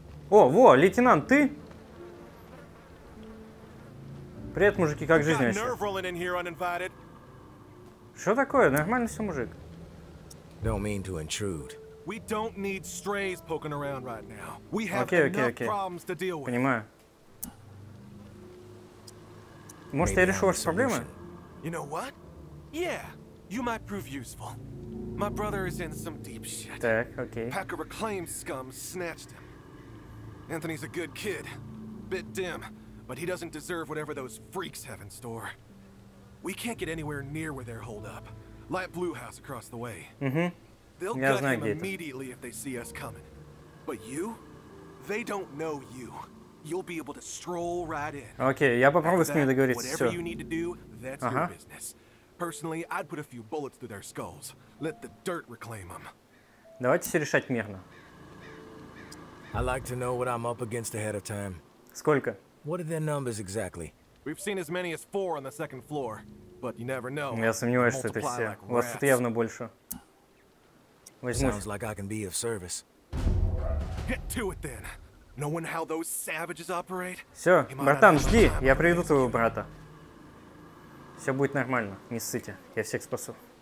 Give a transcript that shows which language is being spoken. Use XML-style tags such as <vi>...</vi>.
<ru>О, во, лейтенант, ты? Привет, мужики, как жизнь вообще? Что такое? Нормально все, мужик.</ru> <en>Don't mean to intrude. We don't need strays poking around right now. We have enough problems to deal with.</en> <ru>Понимаю. Может, я решу ваши проблемы?</ru> <en>You know what? Yeah, you might prove useful. My brother is in some deep shit.</en> <ru>Так, окей.</ru> <en>Pack of reclaimed scum snatched him. Anthony's a good kid, bit dim, but he doesn't deserve whatever those freaks have in store. We can't get anywhere near where they're holed up. Light blue house across the way. Mm-hmm. They'll</en> <ru>я</ru> <en>gut</en> <ru>знаю,</ru> <en>him immediately if they see us coming. But you? They don't know you. You'll be able to stroll right in.</en> <ru>Okay, я попробую с ними договориться.</ru> <en>Whatever you need to do, that's your business. Personally, I'd put a few bullets through their skulls. Let the dirt reclaim them.</en> <ru>Давайте все решать мирно.</ru> <en>I like to know what I'm up against ahead of time.</en> <ru>Сколько?</ru> <en>What are their numbers exactly? We've seen as many as four on the second floor, but you never know.</en> <ru>Я сомневаюсь, что это все. У вас это явно больше.</ru> <en>Sounds like I can be of service. Get to it then. Knowing how those savages operate.</en> <ru>Все, братан, жди, я приведу твоего брата. Все будет нормально, не ссыте, я всех спасу.</ru>